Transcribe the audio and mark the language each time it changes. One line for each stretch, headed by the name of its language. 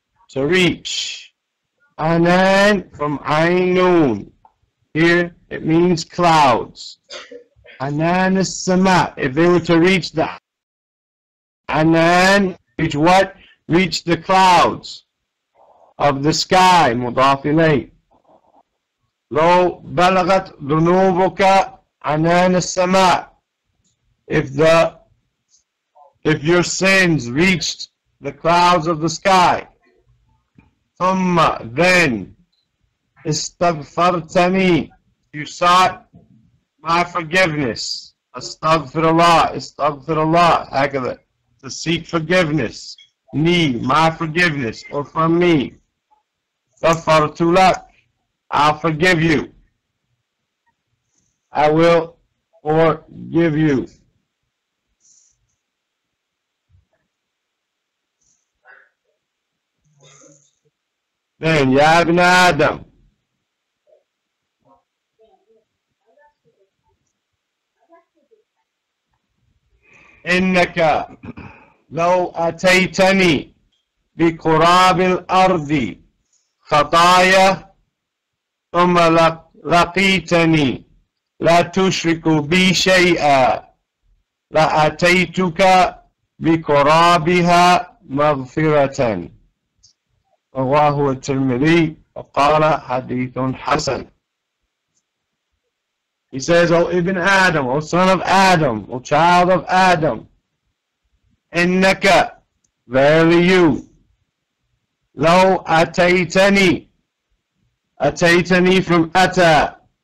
English: To reach. Anan from Ainun. Here it means clouds. Anan is sama. If they were to reach the Anan, reach what? Reach the clouds. of the sky,
Arabic: مضاف إليه. لو بلغت ذنوبك عنان السماء.
English: If your sins reached the clouds of the sky,
Arabic: ثم
English: then
Arabic: استغفرتني,
English: you sought my forgiveness.
Arabic: أستغفر الله, استغفر الله, هكذا.
English: To seek forgiveness, me, my forgiveness, or from me.
Arabic: غفرت لك,
English: I'll forgive you. I will forgive you. Then,
Arabic: يا ابن آدم. إنك لو أتيتني بقراب الأرض خطايا ثم لقيتني لا تشرك بي شيئا لأتيتك بقرابها مغفرة. رواه الترمذي وقال حديث حسن.
English: He says, O Ibn Adam, O son of Adam, O child of Adam,
Arabic: إِنَّكَ,
English: verily you,
Arabic: لَوْ أَتَيْتَنِي, أَتَيْتَنِي
English: from
Arabic: أَتَى,